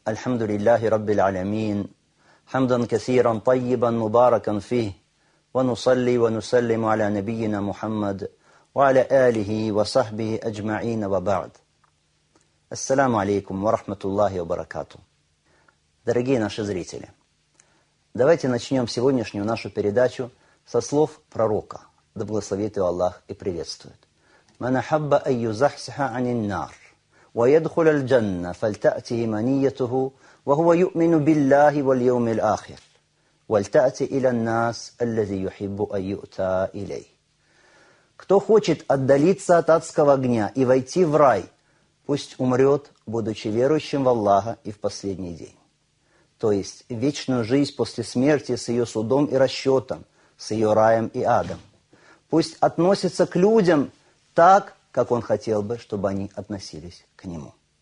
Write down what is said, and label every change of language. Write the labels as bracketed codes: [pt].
[ar] الحمد لله رب العالمين، حمدا كثيرا طيبا مباركا فيه، ونصلي ونسلم على نبينا محمد وعلى آله وصحبه أجمعين، وبعد. السلام عليكم ورحمة الله وبركاته. [ru] Дорогие наши зрители, давайте начнем сегодняшнюю нашу передачу со слов пророка, да благословит его Аллах и приветствует. [ar] من أحب أن يزحزح عن النار ويدخل الجنة فلتأته منيته وهو يؤمن بالله واليوم الآخر ولتأتي إلى الناس الذي يحب أن يؤتى إليه. [ru] Кто хочет отдалиться от адского огня и войти в рай, пусть умрет, будучи верующим в Аллаха и в последний день. То есть вечную жизнь после смерти с ее судом и расчетом, с ее раем и адом. Пусть относится к людям так, как он хотел бы, чтобы они относились к нему.